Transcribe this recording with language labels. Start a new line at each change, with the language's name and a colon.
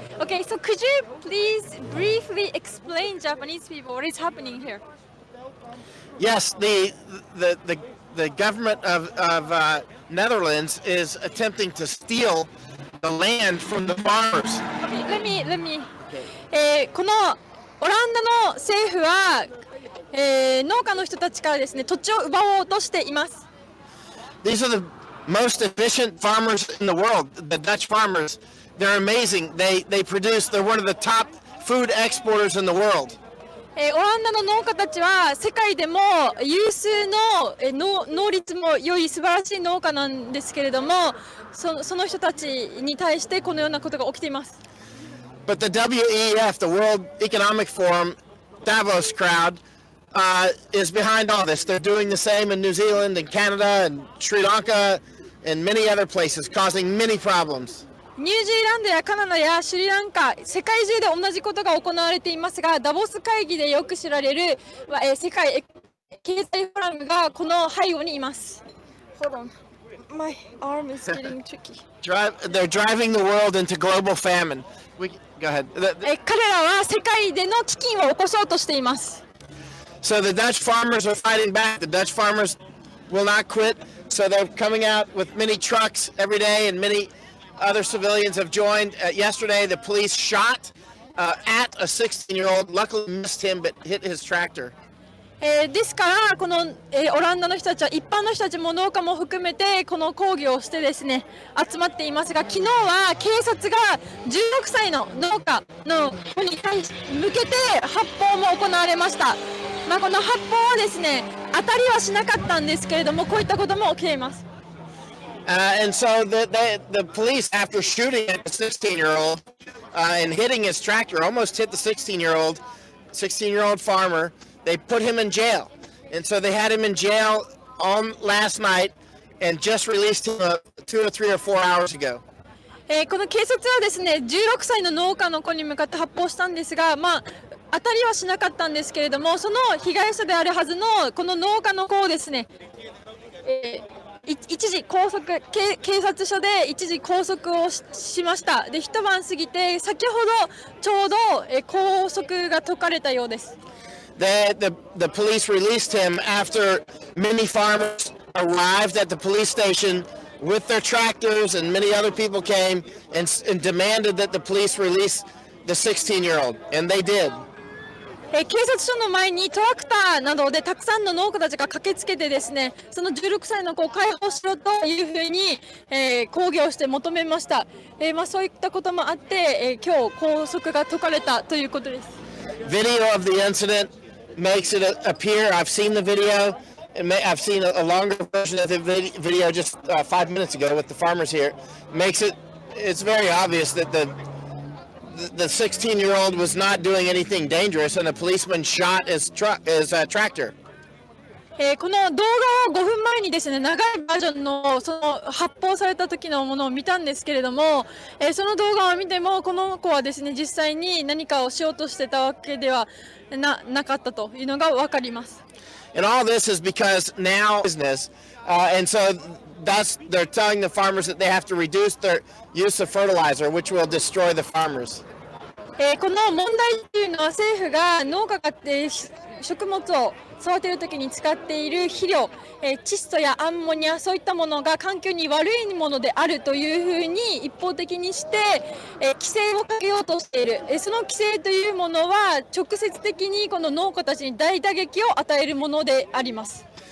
English: Okay, so could you please briefly explain Japanese people what is happening here? Yes, the government of Netherlands is attempting to steal the land from the farmers. Okay, let me. Okay.
Japanese: このオランダの政府は、農家の人たちからですね、土地を奪おうとしています。
English: These are the most efficient farmers in the world, the Dutch farmers. They're amazing. They produce. They're one of the top food exporters in the world.
Japanese: オランダの農家たちは世界でも有数の農率も良い素晴らしい農家なんですけれども、その人たちに対してこのようなことが起きています。
English: But the WEF, the World Economic Forum, Davos crowd, is behind all this. They're doing the same in New Zealand and Canada and Sri Lanka and many other places, causing many problems.
Japanese: ニュージーランドやカナダやシリランカ、世界中で同じことが行われていますが、ダボス会議でよく知られる、世界経済フォーラムがこの背後にいます。
English: Hold on. My arm is getting tricky. They're driving the world into global famine. Go ahead.
Japanese: 彼らは世界での飢饉を起こそうとしています。
English: So the Dutch farmers are fighting back. The Dutch farmers will not quit. So they're coming out with many trucks every day and many... Other civilians have joined. Yesterday, the police shot at a 16-year-old. Luckily, missed him, but hit his tractor.
Japanese: ですから、この、オランダの人たちは、一般の人たちも農家も含めて、この抗議をしてですね、集まっていますが、昨日は警察が16歳の農家の子に対し向けて発砲も行われました。まあ、この発砲はですね、当たりはしなかったんですけれども、こういったことも起きています。
English: And so the police, after shooting at the 16-year-old and hitting his tractor, almost hit the 16-year-old farmer, they put him in jail. And so they had him in jail on last night and just released him two or three or four hours ago.
Japanese: この警察はですね、16歳の農家の子に向かって発砲したんですが、まあ、当たりはしなかったんですけれども、その被害者であるはずのこの農家の子をですね、一時拘束、警察署で一時拘束を しました。で、一晩過ぎて、先ほどちょうど拘束が解かれたようです。
English: The police released him after many farmers arrived at the police station with their tractors and many other people came and demanded that the police release the 16-year-old. And they did.
Japanese: 警察署の前にトラクターなどでたくさんの農家たちが駆けつけてですね、その16歳の子を解放しろというふうに、抗議をして求めました。まあ、そういったこともあって、今日拘束が解かれたということです。
English: Video of the incident makes it appear. I've seen the video. I've seen a longer version of the video just five minutes ago with the farmers here. Makes it, it's very obvious that the 16-year-old was not doing anything dangerous, and a policeman shot his tractor.
Japanese: この動画を5分前にですね、長いバージョンのその発砲された時のものを見たんですけれども、その動画を見てもこの子はですね、実際に何かをしようとしてたわけではなかったというのがわかります。
English: And all this is because now business, and so thus they're telling the farmers that they have to reduce their use of fertilizer, which will destroy the farmers.
Japanese: この問題というのは政府が農家が食物を育てるときに使っている肥料、窒素やアンモニア、そういったものが環境に悪いものであるというふうに一方的にして、規制をかけようとしている、その規制というものは直接的にこの農家たちに大打撃を与えるものであります。